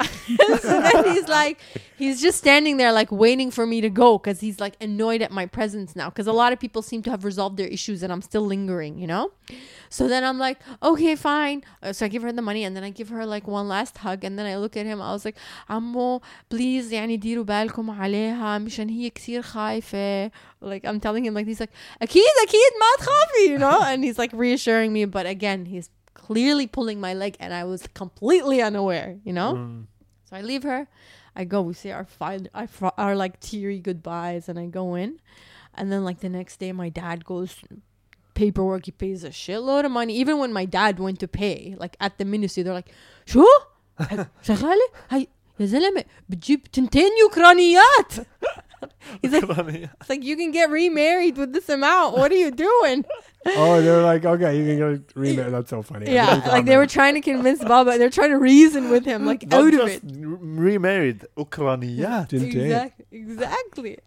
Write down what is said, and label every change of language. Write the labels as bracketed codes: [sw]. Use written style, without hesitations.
[en] So then he's like, he's just standing there like waiting for me to go because he's like annoyed at my presence now because a lot of people seem to have resolved their issues and I'm still lingering, you know? So then I'm like, okay, fine. So I give her the money and then I give her like one last hug and then I look at him. I was like, [ar] عمو, [en] please, [ar] يعني ديروا بالكم عليها مشان هي كثير خايفة. [en] Like, I'm telling him, like, he's like, [ar] أكيد, أكيد, ما تخافي, [en] you know? And he's like reassuring me. But again, he's clearly pulling my leg and I was completely unaware, you know? So I leave her. I go, we say our like teary goodbyes and I go in. And then like the next day, my dad goes paperwork. He pays a shitload of money. Even when my dad went to pay, like at the ministry, they're like, [ar] شو? شغالي? هاي يا زلمة بتجيب تنتين يوكرانيات. [en] He's like, it's like, you can get remarried with this amount. What are you doing? Oh, they're like, okay, you can get remarried. That's so funny. Yeah, like they were trying to convince Baba. They're trying to reason with him, like, not out just of it. Remarried, Ukrainian. Exactly.